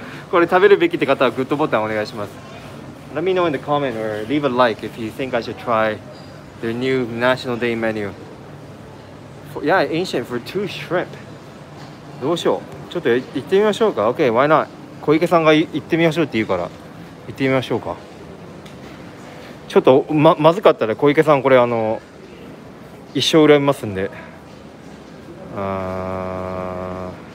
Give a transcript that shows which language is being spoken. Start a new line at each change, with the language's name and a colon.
Japanese: これ食べるべきって方はグッドボタンお願いします。
English: Let me know in the comment or leave a like if you think I should try their new National Day menu. Yeah, ancient for two shrimp.
Japanese: どうしよう。ちょっと行ってみましょうか。
English: OK, why not?
Japanese: 小池さんが行ってみましょうって言うから。行ってみましょうか。ちょっと まずかったら小池さんこれあの一生恨みますんで、あ